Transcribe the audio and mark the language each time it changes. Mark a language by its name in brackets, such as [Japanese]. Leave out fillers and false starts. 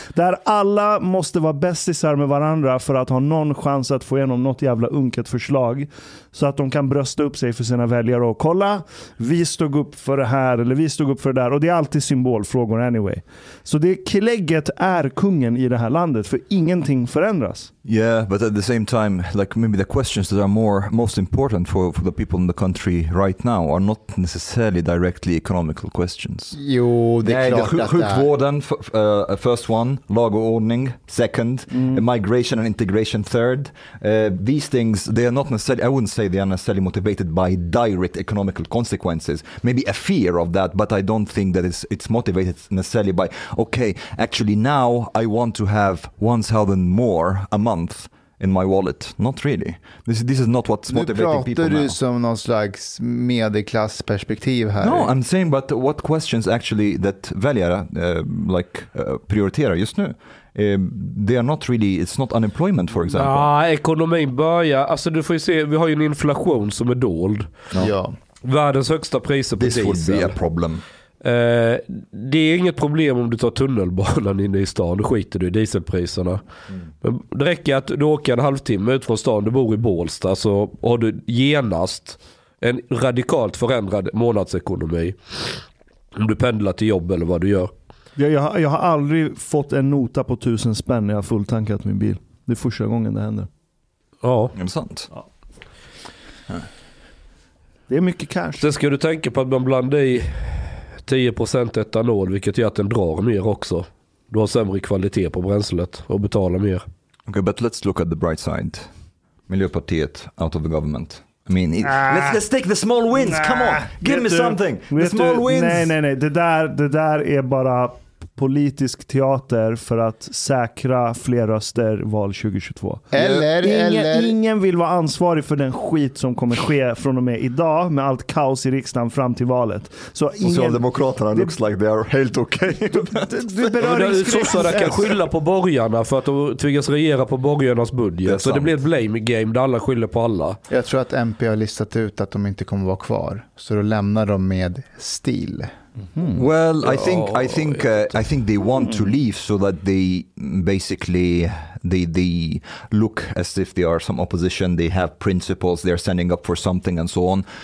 [Swedish] Där alla måste vara bästisar med varandra för att ha någon chans att få igenom något jävla unket förslag så att de kan brösta upp sig för sina väljare och kolla, vi stod upp för det här eller vi stod upp för det där. Och det är alltid symbolfrågor anyway. Så det klägget är kungen i det här landet, för ingenting förändras. [English] Yeah, but at the same time, like maybe the questions that are most important for the people in the country right now are not necessarily directly economical questions. [Swedish] Jo, det är klart. [English] Sjukvården, first one, [Swedish] lag och ordning, [English] second, migration and integration, third. These things, they are not necessarily, I wouldn't say they are necessarily motivated by direct economical consequences. Maybe a fear of that, but I don't think that it's motivated necessarily by, okay, actually now I want to have 1,000 more a month in my wallet. Not really. This is not what's motivating people now. [Swedish] Nu pratar du som någon slags medelklassperspektiv här. [English] No, I'm saying, but what questions actually that [Swedish] väljare prioriterar just nu? [English] They are not really, it's not unemployment for example. [Swedish] Ja, ekonomin börjar, alltså du får ju se, vi har ju en inflation som är dold. Ja. Världens högsta priser på [English] this [Swedish] diesel. [English] This would be a problem. [Swedish] Det är inget problem om du tar tunnelbanan inne i stan, då skiter du i dieselpriserna. Men det räcker att du åker en halvtimme ut från stan, du bor i Bålsta, så har du genast en radikalt förändrad månadsekonomi om du pendlar till jobb eller vad du gör. Jag har aldrig fått en nota på 1,000 spänn när jag har fulltankat min bil. Det är första gången det händer. Ja. Är det sant? Ja. Det är mycket cash. Sen ska du tänka på att man blandar i 10% etanol, vilket gör att den drar mer också. Du har sämre kvalitet på bränslet och betalar mer. [English] Okay, but let's look at the bright side. Miljöpartiet out of the government. I mean, let's take the small wins. Nah. Come on, give me something. The small wins. [Swedish] Nej. Det där är bara politisk teater för att säkra fler röster val 2022. Ingen vill vara ansvarig för den skit som kommer ske från och med idag med allt kaos i riksdagen fram till valet. Så [English] Socialdemokraterna looks like they are [Swedish] helt okej. Sossarna kan skylla på borgarna för att de tvingas regera på borgarnas budget. Så det blir ett blame game där alla skyller på alla. Jag tror att MP har listat ut att de inte kommer vara kvar. Så då lämnar de med stil. Mm-hmm. [English] Well, I think they want to leave so that they basically they look as if they are some opposition, they have principles, they're standing up for something and so on.